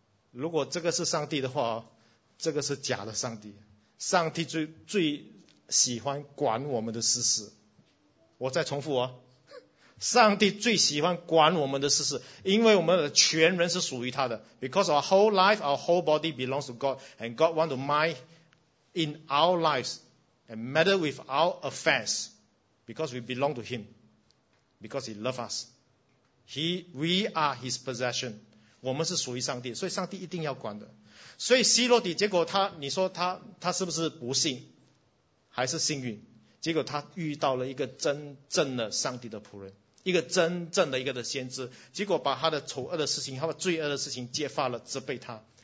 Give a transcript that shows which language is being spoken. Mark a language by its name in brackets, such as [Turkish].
[Chinese] 如果这个是上帝的话，这个是假的上帝，上帝最喜欢管我们的私事。我再重复啊，上帝最喜欢管我们的私事，因为我们的全人是属于他的。 [English] Because our whole life, our whole body belongs to God, and God wants to mind in our lives and meddle with our affairs because we belong to him, because he loves us. We are his possession. [Chinese] 我们是属于上帝，所以上帝一定要管的。所以希罗底结果他，你说他是不是不幸还是幸运？结果他遇到了一个真正的上帝的仆人，一个真正的一个的先知，结果把他的丑恶的事情，他的罪恶的事情揭发了，责备他。